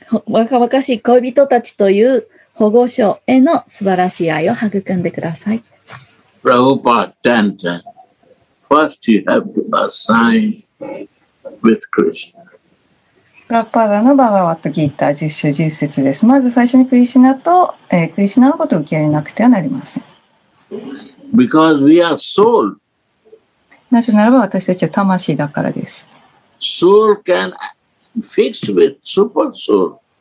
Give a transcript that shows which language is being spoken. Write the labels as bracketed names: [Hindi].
[Japanese] 若々しい恋人たちという保護所への素晴らしい愛を育んでください。 [English] Prabhupada Tanta, first you have to assign with Krishna. [Japanese] Prabhupada のバガヴァット・ギーター10章10節です。まず最初にクリシナと、クリシナのことを受け入れなくてはなりません。 [English] Because we are soul. [Japanese] なぜならば私たちは魂だからです。 [English] Soul can fix with super soul.